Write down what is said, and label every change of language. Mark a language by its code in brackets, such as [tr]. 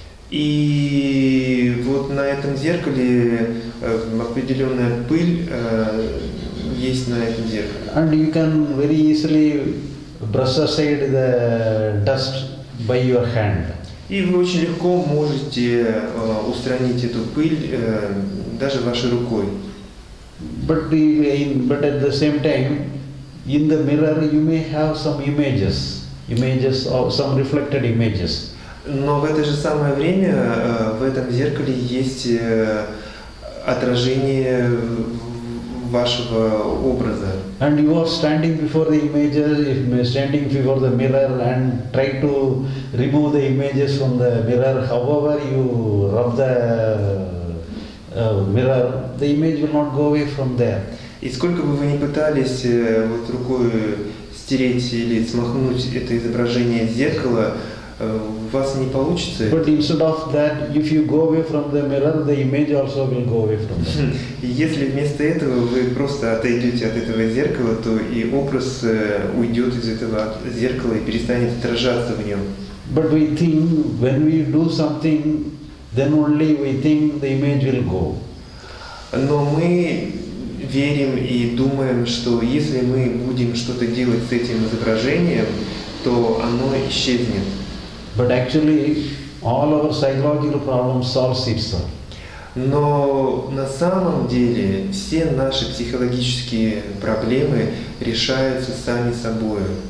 [ru] И вот на этом зеркале определенная пыль есть на этом зеркале. [en] And you can very easily brush aside the dust by your hand. [ru] И вы очень легко можете устранить эту пыль даже вашей рукой. [en] But at the same time, in the mirror you may have some images or some reflected images. [ru] Но в это же самое время в этом зеркале есть отражение вашего образа. [en] And you are standing before the images, standing before the mirror and try to remove the images from the mirror. However, you rub the mirror, the image will not go away from there. [ru] И сколько бы вы ни пытались вот рукой стереть или смахнуть это изображение с зеркала, у вас не получится. [en] But instead of that, if you go away from the mirror, the image also will go away from it. [ru] Если вместо этого вы просто отойдете от этого зеркала, то и образ уйдет из этого зеркала и перестанет отражаться в нем. [en] But we think when we do something, then only we think the image will go. [ru] Но мы верим и думаем, что если мы будем что-то делать с этим изображением, то оно исчезнет. [en] But actually, all our psychological problems solve itself. [ru] Но на самом деле все наши психологические проблемы решаются сами собой.